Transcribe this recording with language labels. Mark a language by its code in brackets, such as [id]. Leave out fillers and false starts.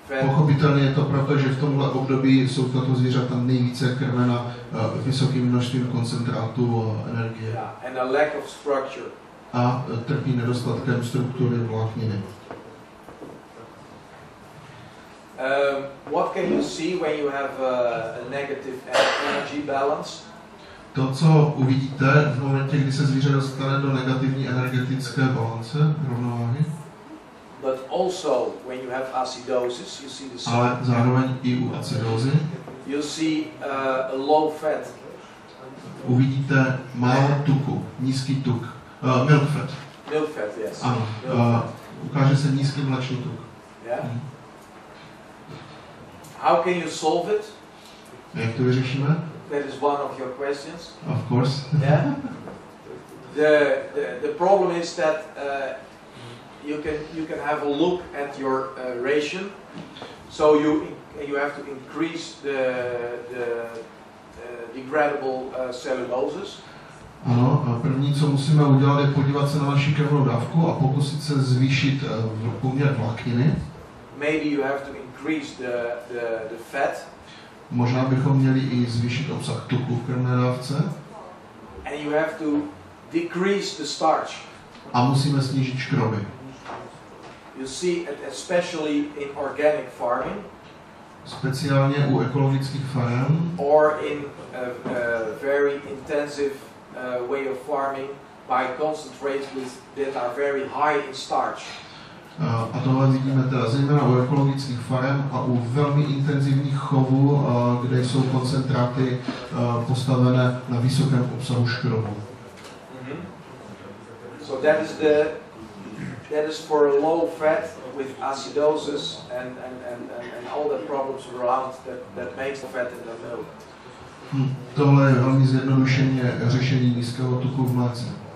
[cs] Pochopitelně je to proto, že v tomhle období jsou tato zvířata nejvíce krmena vysokým množstvím koncentrátu energie. [en] Yeah, and a lack of structure. [cs] A trpí nedostatkem struktury vlákniny. [en] What can you see when you have a negative energy balance? [cs] To, co uvidíte v momentě, kdy se zvíře dostane do negativní energetické balance, rovnováhy. [en] But also when you have acidosis, you see the same. [cs] Ale zároveň i u acidózy. [en] You see a low fat. [cs] Uvidíte málo tuku, nízký tuk. [en] Milk fat. Milk fat, yes. [cs] Ano, ukáže se nízký mléčný tuk. [en] Yeah. How can you solve it? [cs] Jak to vyřešíme? [en] That is one of your questions. Of course. Yeah. The problem is that you can have a look at your ration. So you have to increase the degradable celluloses. [cs] Ano, první, co musíme udělat, je podívat se na naši krevnou dávku a pokusit se zvýšit poměr vlákniny. [en] Maybe you have to increase the fat. [cs] Možná bychom měli i zvýšit obsah tuku v krevné dávce. [en] And you have to decrease the starch. [cs] A musíme snížit škroby. [en] You see, especially in organic farming. [cs] Speciálně u ekologických farem. [en] Or in a very intensive way of farming by concentrates that are very high in starch. [cs] A tohle vidíme teda zejména u ekologických farem a u velmi intenzivních chovů, kde jsou koncentráty postavené na vysokém obsahu škrobu. Mm-hmm. [en] So that is for a low fat with acidosis and all the problems around that makes the fat in the milk. [cs] Tohle je velmi zjednodušeně řešení nízkého tuku v mléce.